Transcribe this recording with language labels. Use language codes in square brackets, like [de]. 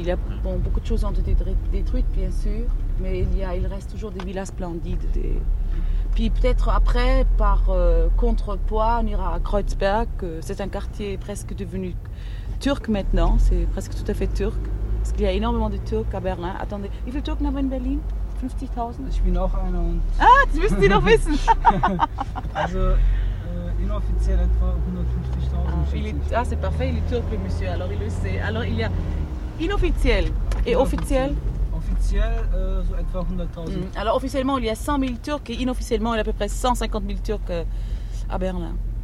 [fr] Il y a beaucoup de choses ont été détruites, bien sûr, mais il reste toujours des villas splendides. Puis peut-être après, par contrepoids, on ira à Kreuzberg. C'est un quartier presque devenu turc maintenant, c'est presque tout à fait turc, parce qu'il y a énormément de Turcs à Berlin. Attendez, [de] wie viele Turcs haben in Berlin? 50.000? Ich bin auch einer und... Ah, das müssen Sie doch wissen! Also, inoffiziell etwa 150.000. [fr] Ah, c'est parfait, il est turc, le monsieur, alors il le sait. Alors, il y a inofficiel et officiel? Officiel, [de] so etwa 100.000. [fr] Alors, officiellement, il y a 100 000 Turcs et inofficiellement, il y a à peu près 150 000 Turcs à Berlin.